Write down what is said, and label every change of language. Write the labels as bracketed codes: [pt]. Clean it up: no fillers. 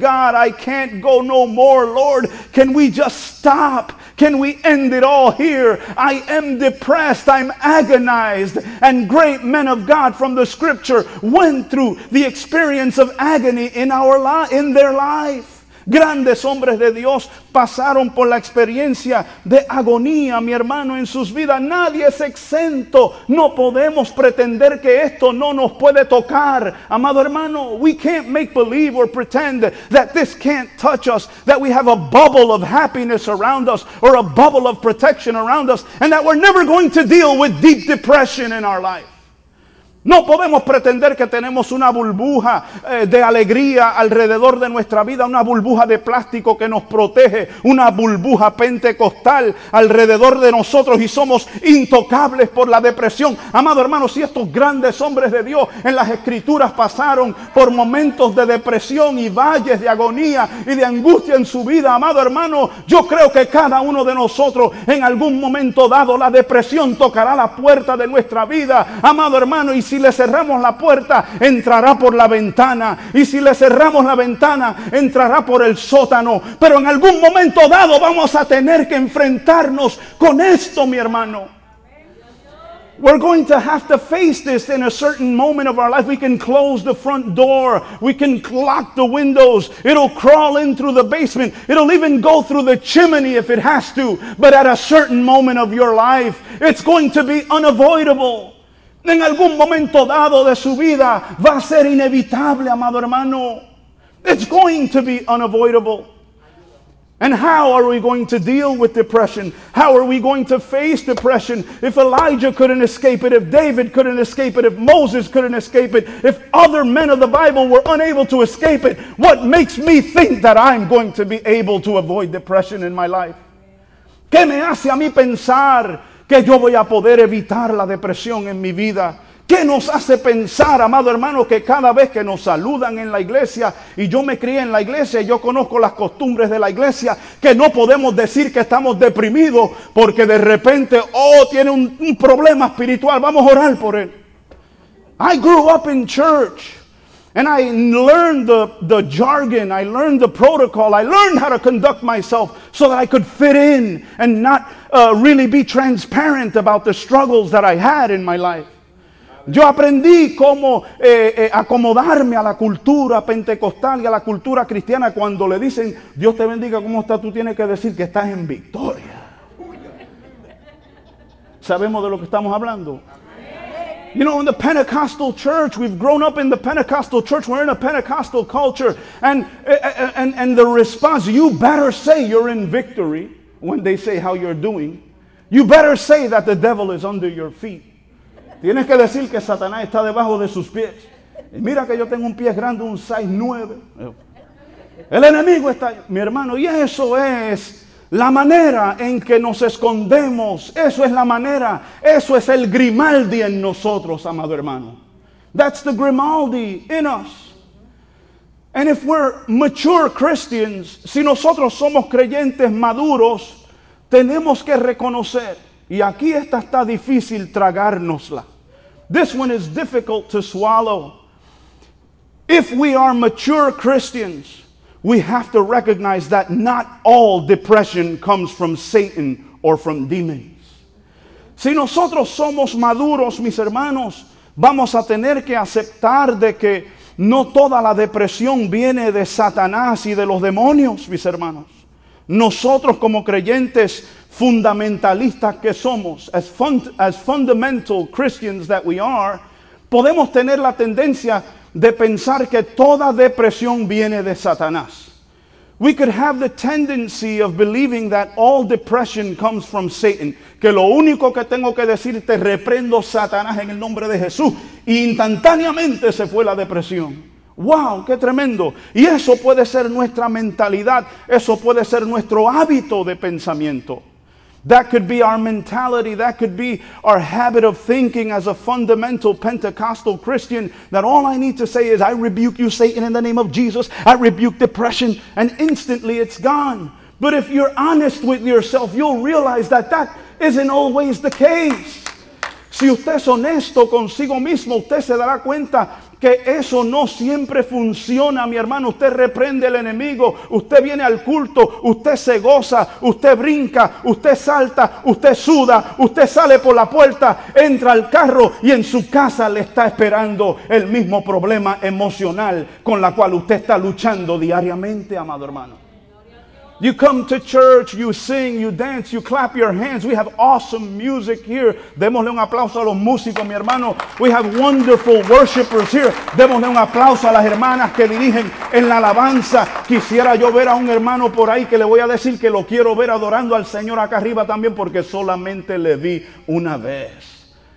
[en] God, I can't go no more. Lord, can we just stop? Can we end it all here? I am depressed. I'm agonized. And great men of God from the scripture went through the experience of agony in their life. [es] Grandes hombres de Dios pasaron por la experiencia de agonía, mi hermano, en sus vidas. Nadie es exento. No podemos pretender que esto no nos puede tocar. Amado hermano, [en] we can't make believe or pretend that this can't touch us, that we have a bubble of happiness around us or a bubble of protection around us, and that we're never going to deal with deep depression in our life. [es] No podemos pretender que tenemos una burbuja de alegría alrededor de nuestra vida, una burbuja de plástico que nos protege, una burbuja pentecostal alrededor de nosotros y somos intocables por la depresión. Amado hermano, si estos grandes hombres de Dios en las escrituras pasaron por momentos de depresión y valles de agonía y de angustia en su vida, amado hermano, yo creo que cada uno de nosotros en algún momento dado la depresión tocará la puerta de nuestra vida, amado hermano, y si le cerramos la puerta, entrará por la ventana. Y si le cerramos la ventana, entrará por el sótano. Pero en algún momento dado vamos a tener que enfrentarnos con esto, mi hermano. [en] We're going to have to face this in a certain moment of our life. We can close the front door. We can lock the windows. It'll crawl in through the basement. It'll even go through the chimney if it has to. But at a certain moment of your life, it's going to be unavoidable. [es] En algún momento dado de su vida va a ser inevitable, amado hermano. [en] It's going to be unavoidable. And how are we going to deal with depression? How are we going to face depression? If Elijah couldn't escape it, if David couldn't escape it, if Moses couldn't escape it, if other men of the Bible were unable to escape it, what makes me think that I'm going to be able to avoid depression in my life? [es] ¿Qué me hace a mí pensar que yo voy a poder evitar la depresión en mi vida? ¿Qué nos hace pensar, amado hermano, que cada vez que nos saludan en la iglesia, y yo me crié en la iglesia, y yo conozco las costumbres de la iglesia, que no podemos decir que estamos deprimidos, porque de repente, oh, tiene un problema espiritual, vamos a orar por él? [en] I grew up in church, and I learned the jargon, I learned the protocol, I learned how to conduct myself so that I could fit in and not really be transparent about the struggles that I had in my life. [es] Yo aprendí cómo acomodarme a la cultura pentecostal y a la cultura cristiana. Cuando le dicen, Dios te bendiga, ¿cómo estás? Tú tienes que decir que estás en victoria. ¿Sabemos de lo que estamos hablando? [en] You know, in the Pentecostal church, we've grown up in the Pentecostal church. We're in a Pentecostal culture. And the response, you better say you're in victory when they say how you're doing. You better say that the devil is under your feet. [es] Tienes que decir que Satanás está debajo de sus pies. Y mira que yo tengo un pie grande, un 6'9". El enemigo está, mi hermano, y eso es la manera en que nos escondemos. Eso es la manera, eso es el Grimaldi en nosotros, amado hermano. [en] That's the Grimaldi in us. And if we're mature Christians, [es] si nosotros somos creyentes maduros, tenemos que reconocer, y aquí esta está difícil tragárnosla. [en] This one is difficult to swallow. If we are mature Christians, we have to recognize that not all depression comes from Satan or from demons. [es] Si nosotros somos maduros, mis hermanos, vamos a tener que aceptar de que no toda la depresión viene de Satanás y de los demonios, mis hermanos. Nosotros como creyentes fundamentalistas que somos, [en] as fundamental Christians that we are, [es] podemos tener la tendencia de pensar que toda depresión viene de Satanás. [en] We could have the tendency of believing that all depression comes from Satan. [es] Que lo único que tengo que decir es te reprendo Satanás en el nombre de Jesús. Y instantáneamente se fue la depresión. ¡Wow! ¡Qué tremendo! Y eso puede ser nuestra mentalidad. Eso puede ser nuestro hábito de pensamiento. [en] That could be our mentality, that could be our habit of thinking as a fundamental Pentecostal Christian, that all I need to say is, I rebuke you, Satan, in the name of Jesus, I rebuke depression, and instantly it's gone. But if you're honest with yourself, you'll realize that that isn't always the case. [es] Si usted es honesto consigo mismo, usted se dará cuenta que eso no siempre funciona, mi hermano. Usted reprende al enemigo, usted viene al culto, usted se goza, usted brinca, usted salta, usted suda, usted sale por la puerta, entra al carro y en su casa le está esperando el mismo problema emocional con la cual usted está luchando diariamente, amado hermano. [en] You come to church, you sing, you dance, you clap your hands. We have awesome music here. [es] Démosle un aplauso a los músicos, mi hermano. [en] We have wonderful worshipers here. [es] Démosle un aplauso a las hermanas que dirigen en la alabanza. Quisiera yo ver a un hermano por ahí que le voy a decir que lo quiero ver adorando al Señor acá arriba también porque solamente le vi una vez.